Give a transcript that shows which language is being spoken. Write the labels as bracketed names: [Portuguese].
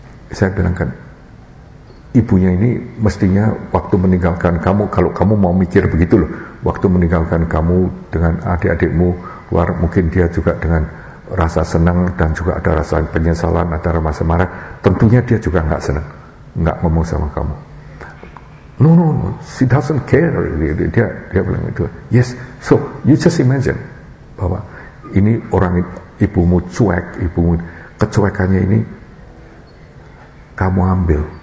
[Indonesian] Saya bilangkan, ibunya ini mestinya waktu meninggalkan kamu, kalau kamu mau mikir begitu loh, waktu meninggalkan kamu dengan adik-adikmu luar, mungkin dia juga dengan rasa senang dan juga ada rasa penyesalan atau rasa marah, tentunya dia juga gak senang, gak ngomong sama kamu. [English] No, she doesn't care really. [Indonesian] Dia bilang itu. [English] Yes, so you just imagine [Indonesian] bahwa ini orang, ibumu cuek, ibumu kecuekannya ini kamu ambil.